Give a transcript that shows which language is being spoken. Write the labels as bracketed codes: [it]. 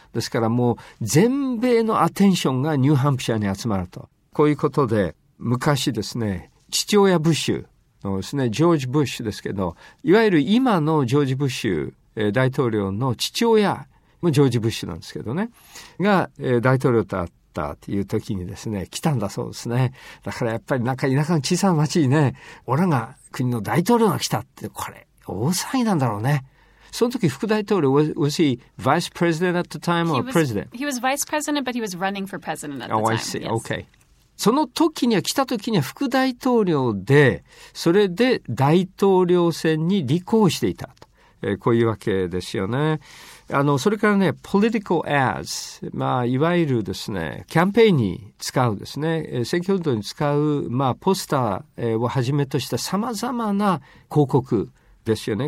[ja] ですからもう全米のアテンションがニューハンプシャーに集まると、こういうことで、昔ですね、父親ブッシュのですね、ジョージ・ブッシュですけど、いわゆる今のジョージ・ブッシュ大統領の父親もジョージ・ブッシュなんですけどね、が大統領と会ったという時にですね、来たんだそうですね。だからやっぱりなんか田舎の小さな町にね、俺が国の大統領が来たって、これ大騒ぎなんだろうね。その時副大統領 [en] was he vice president at the time or president? He was vice president, but he was running for president at the time. Oh, I see. Okay. [ja] その時には、来た時には副大統領で、それで大統領選に立候補していたと、こういうわけですよね。それからね、political ads、まあ、いわゆるですね、キャンペーンに使うですね、選挙運動に使う、まあ、ポスターをはじめとした様々な広告ですよね。